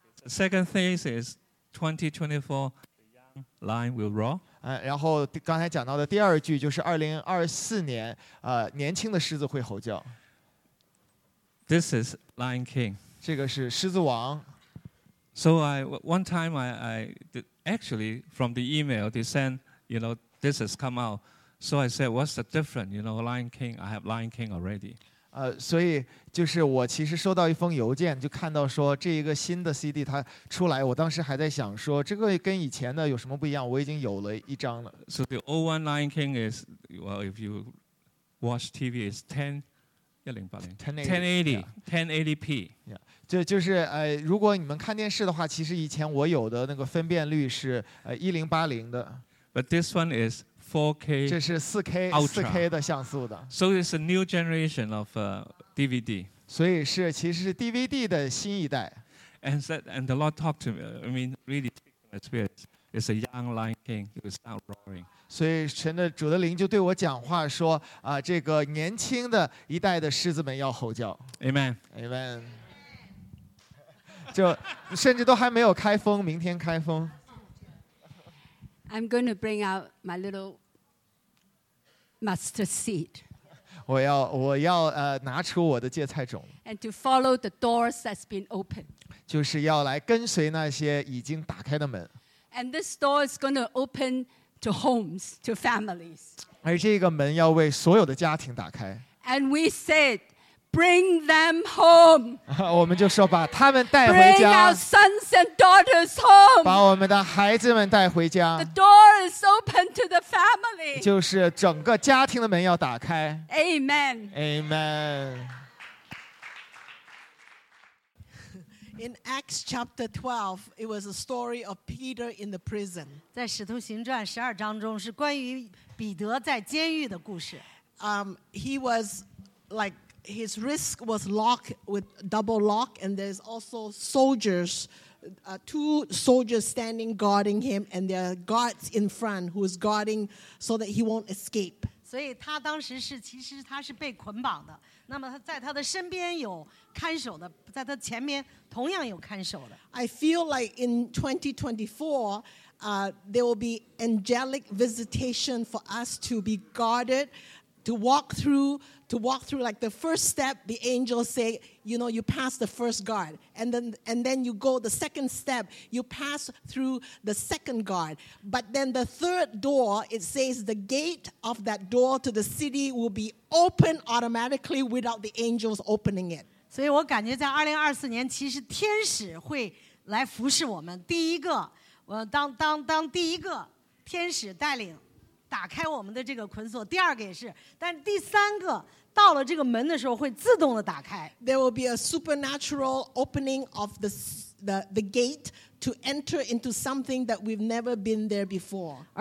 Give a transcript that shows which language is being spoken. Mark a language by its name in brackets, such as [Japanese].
[English] Second thing is 2024, the young line will roar. [Chinese] 然后刚才讲到的第二句就是2024年，年轻的狮子会吼叫。 [English] This is Lion King. [Chinese] 这个是狮子王。 [English] So one time I did, actually from the email they sent, you know, this has come out. So I said, what's the difference? You know, Lion King, I have Lion King already. [Chinese] 所以就是我其实收到一封邮件，就看到说这一个新的 CD 它出来，我当时还在想说这个跟以前的有什么不一样，我已经有了一张了。 [English] So the old one Lion King is, well, if you watch TV, it's 1080p. Yeah. [Chinese] 就是如果你们看电视的话，其实以前我有的那个分辨率是1080的。 [English] But this one is,4K, [Chinese] 这是 4K, [English] Ultra. [Chinese] 4K 的像素的。 [English] So it's a new generation of DVD. [Chinese] 所以是其实是 DVD 的新一代。 [English] And the Lord talked to me. I mean, really, it's a young Lion King. It was now roaring. [Chinese] 所以神的主的灵就对我讲话说，这个年轻的一代的狮子们要吼叫。 [English] Amen. Amen. [Chinese] 就甚至都还没有开封，明天开封。 [English] I'm going to bring out my little mustard seed. [Chinese] 我要拿出我的芥菜种。 [English] And to follow the doors that's been opened. [Chinese] 就是要来跟随那些已经打开的门。 [English] And this door is going to open to homes, to families. [Chinese] 而这个门要为所有的家庭打开。 [English] And we said, bring them home. [Chinese] 我们就说把他们带回家。 [English] Bring our sons and daughters home. [Chinese] 把我们的孩子们带回家。 [English] The door is open to the family. [Chinese] 就是整个家庭的门要打开。 [English] Amen. Amen. In Acts chapter 12, it was a story of Peter in the prison. [Chinese] 在使徒行传十二章中是关于彼得在监狱的故事。 [English] He was like,His wrist was locked with double lock, and there's also soldiers, two soldiers standing guarding him, and there are guards in front who is guarding so that he won't escape. [Chinese] 所以他当时是其实他是被捆绑的。那么他在他的身边有看守的，在他前面同样有看守的。 [English] I feel like in 2024, there will be angelic visitation for us to be guarded. to walk through like the first step, the angels say, you know, you pass the first guard. And then you go the second step, you pass through the second guard. But then the third door, it says the gate of that door to the city will be open automatically without the angels opening it. [Chinese] 所以我感觉在2024年，其实天使会来服侍我们。第一个，当第一个天使带领打开我们的这个捆锁；第二个也是，但第三个到了这个门的时候会自动的打开。 [English] There will be a supernatural opening of the gate to enter into something that we've never been there before.